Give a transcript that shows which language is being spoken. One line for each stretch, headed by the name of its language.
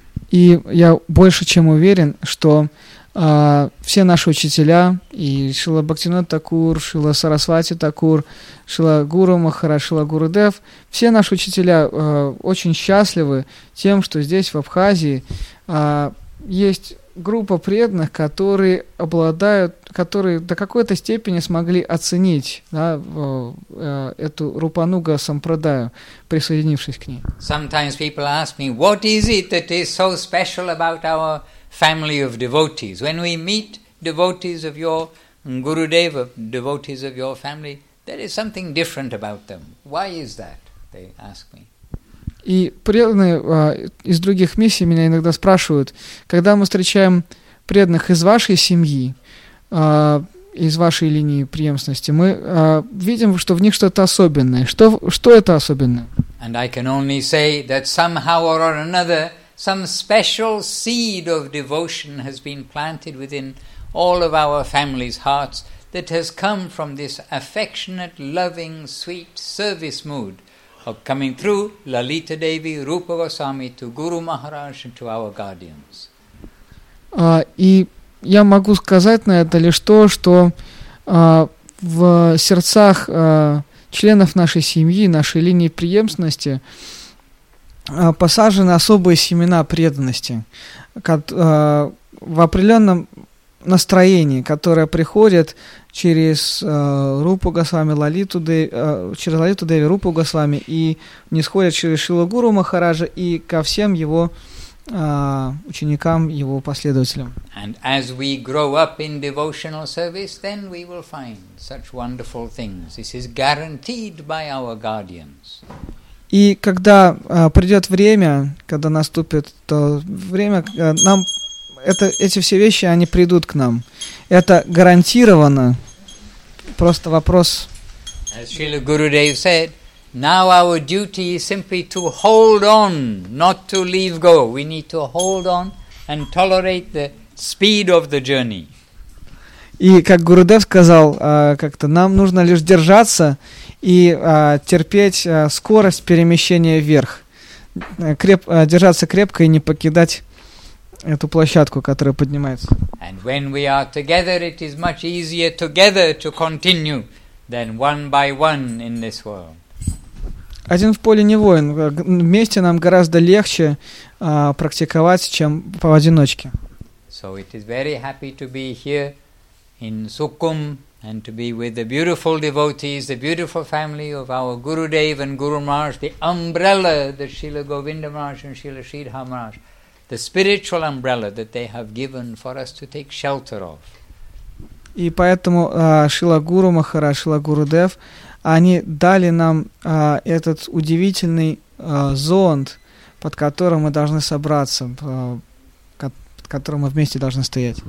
Russian: И я больше чем уверен, что все наши учителя, и Шрила Бхактивинода Тхакур, Шрила Сарасвати Тхакур, Шрила Гуру Махарадж, Шрила Гурудев, все наши учителя очень счастливы тем, что здесь, в Абхазии, есть группа преданных, которые обладают, которые до какой-то степени смогли оценить, да, эту Рупануга Сампрадаю, присоединившись к ней.
English: Sometimes people ask me, what is it that is so special about our family of devotees? When we meet devotees of your Gurudeva, devotees of your family, there is something different about them. Why is that? They ask me.
Russian: И преданные из других миссий меня иногда спрашивают, когда мы встречаем преданных из вашей семьи, из вашей линии преемственности, мы видим, что в них что-то особенное. Что это особенное?
English: And I can only say that somehow or another some special seed of devotion has been planted within all of our family's hearts that has come from this affectionate, loving, sweet service mood coming through Lalita Devi, Rupa Goswami, to Guru Maharaj and to our guardians.
Russian: И я могу сказать на это лишь то, что в сердцах членов нашей семьи, нашей линии преемственности посажены особые семена преданности в определенном настроении, которое приходит через Рупу Госвами, через Лалиту Деви, Рупу Госвами, и нисходит через Шрилу Гуру Махараджа и ко всем его ученикам, его последователям.
English: And as we grow up in devotional service, then we will find such wonderful things. This is guaranteed by our guardians.
Russian: И когда придет время, когда наступит то время, нам эти все вещи, они придут к нам. Это гарантированно. Просто вопрос.
English: As Srila Gurudev said, now our duty is simply to hold on, not to leave go. We need to hold on and tolerate the speed of the journey.
Russian: И как Гурудев сказал, как-то нам нужно лишь держаться и терпеть скорость перемещения вверх. Держаться крепко и не покидать эту площадку, которая поднимается.
English: And when we are together, it is much easier together to continue than one by one in this world.
Russian: Один в поле не воин. Вместе нам гораздо легче практиковать, чем поодиночке.
English: So it is very happy to be here in Sukkum and to be with the beautiful devotees, the beautiful family of our Gurudev and Guru Maharaj, the umbrella, the Srila Govinda Maharaj and Srila Sridhar Maharaj, the spiritual umbrella that they have given for us to take shelter of.
Russian: И поэтому Шрила Гуру Махарадж, Шрила Гурудев, они дали нам этот удивительный зонт, под которым мы должны собраться, под которым мы вместе должны стоять.